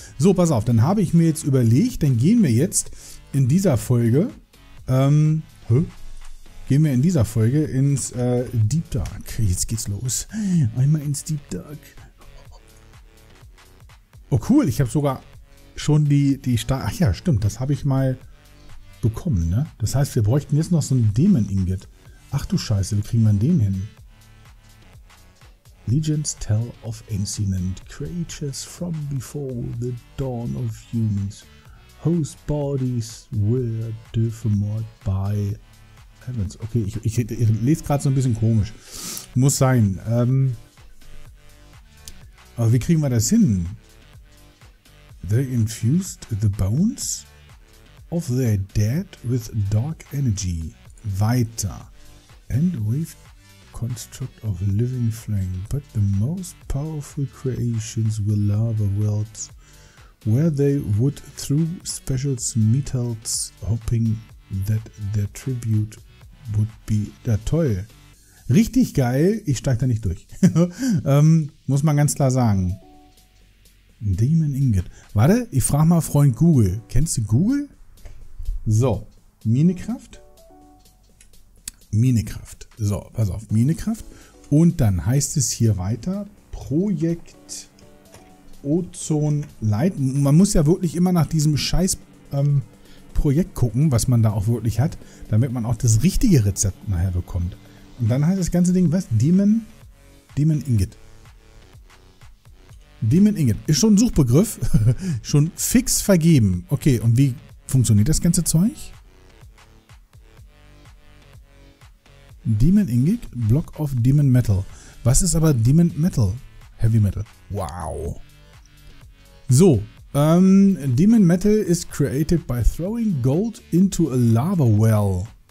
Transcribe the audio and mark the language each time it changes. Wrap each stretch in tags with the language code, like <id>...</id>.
<de>So, pass auf, dann habe ich mir jetzt überlegt, dann gehen wir jetzt in dieser Folge, gehen wir in dieser Folge ins Deep Dark. Jetzt geht's los. Einmal ins Deep Dark. Oh cool, ich habe sogar schon die Stahl. Ach ja, stimmt, das habe ich mal bekommen, ne? Das heißt, wir bräuchten jetzt noch so einen Demon-Ingot. Ach du Scheiße, wie kriegen wir den hin?</de> <en>Legends tell of ancient creatures from before the dawn of humans, whose bodies were deformed by heavens.</en> <de>Okay, ich lese gerade so ein bisschen komisch. Muss sein. Aber wie kriegen wir das hin?</de> <en>They infused the bones of their dead with dark energy.</en> <de>Weiter.</de> <en>And with construct of living flame. But the most powerful creations were lava worlds, where they would throw special metals, hoping that their tribute would be der toll.</en> <de>Richtig geil. Ich steig da nicht durch. muss man ganz klar sagen. Demon Ingot. Warte, ich frage mal Freund Google. Kennst du Google? So, Minekraft. Minekraft. So, pass auf, Minekraft. Und dann heißt es hier weiter, Projekt Ozon Light. Man muss ja wirklich immer nach diesem scheiß Projekt gucken, was man da auch wirklich hat, damit man auch das richtige Rezept nachher bekommt. Und dann heißt das ganze Ding, was? Demon Ingot. Demon Ingot. Ist schon ein Suchbegriff. schon fix vergeben. Okay, und wie funktioniert das ganze Zeug? Demon Ingot, Block of Demon Metal. Was ist aber Demon Metal? Heavy Metal. Wow. So.</de> <en>Demon Metal is created by throwing gold into a lava well.</en>